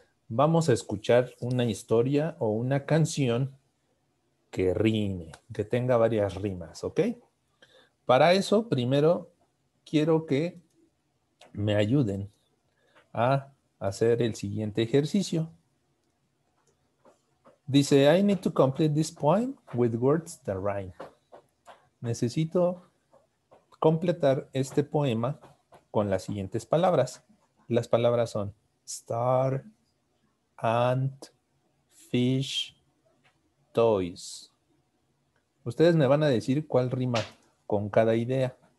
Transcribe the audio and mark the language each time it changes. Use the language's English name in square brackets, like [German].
[Spanish] Vamos a escuchar una historia o una canción que rime, que tenga varias rimas, ¿ok? Para eso, primero, quiero que me ayuden a hacer el siguiente ejercicio. Dice, [English] I need to complete this poem with words that rhyme. [Spanish] Necesito completar este poema con las siguientes palabras. Las palabras son star, ant, fish, toys. Ustedes me van a decir cuál rima con cada idea.